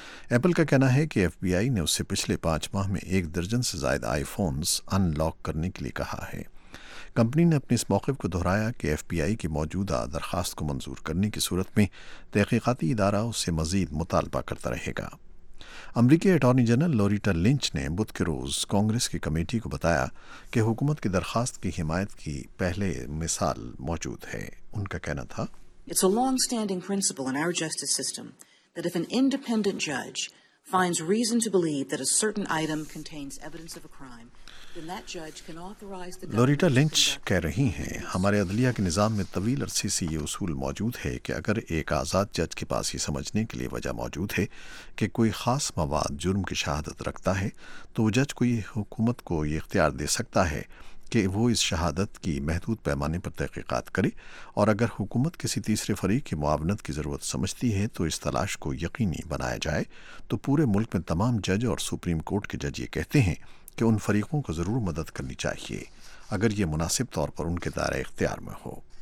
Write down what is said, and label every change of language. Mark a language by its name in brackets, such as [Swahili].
[Urdu] Apple کا کہنا ہے کہ ایف بی آئی نے اسے پچھلے 5 ماہ میں 1 درجن سے زائد آئی فونز ان لاک کرنے کے لیے کہا ہے۔ کمپنی نے اپنے اس موقف کو دہرایا کہ ایف بی آئی کی موجودہ درخواست کو منظور کرنے کی صورت میں تحقیقاتی ادارہ اسے مزید مطالبہ کرتا رہے گا۔ امریکی اٹارنی جنرل لوریٹا لنچ نے بدھ کے روز کانگریس کی کمیٹی کو بتایا کہ حکومت کی درخواست کی حمایت کی پہلے مثال موجود ہے۔ ان کا کہنا تھا، [English] It's a long-standing principle in our justice system that if an independent judge finds reason to believe that a certain item contains evidence of a crime, then that judge can authorize the government. [Urdu] Loretta lunch کہہ رہی ہیں ہمارے عدلیہ کے نظام میں طویل عرصے سے یہ اصول موجود ہے کہ اگر ایک آزاد جج کے پاس یہ سمجھنے کے لیے وجہ موجود ہے کہ کوئی خاص مواد جرم کی شہادت رکھتا ہے تو وہ جج کو یہ حکومت کو یہ اختیار دے سکتا ہے کہ وہ اس شہادت کی محدود پیمانے پر تحقیقات کرے اور اگر حکومت کسی تیسرے فریق کی معاونت کی ضرورت سمجھتی ہے تو اس تلاش کو یقینی بنایا جائے تو پورے ملک میں تمام جج اور سپریم کورٹ کے جج یہ کہتے ہیں کہ ان فریقوں کو ضرور مدد کرنی چاہیے اگر یہ مناسب طور پر ان کے دائرہ اختیار میں ہو۔